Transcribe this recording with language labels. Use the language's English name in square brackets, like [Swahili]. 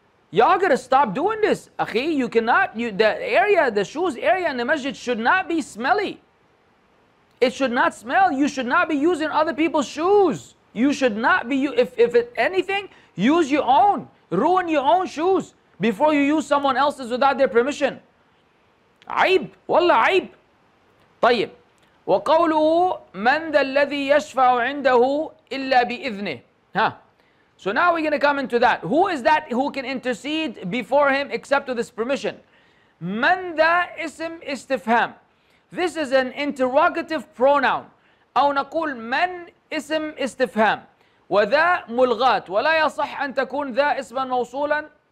[English] Y'all gotta stop doing this. Akhi, you cannot, the shoes area in the masjid should not be smelly. It should not smell. You should not be using other people's shoes. You should not be, if anything, use your own. Ruin your own shoes before you use someone else's without their permission. [Arabic] عيب والله عيب. طيب وقوله من ذا الذي يشفع عنده إلا بإذنه. Huh. [English] So now we're going to come into that. Who is that who can intercede before him except with this permission? [Arabic] من ذا اسم استفهام. [English] This is an interrogative pronoun. [Arabic] أو نقول من اسم استفهام. وذا ملغات. ولا يصح أن تكون ذا اسما موصولا.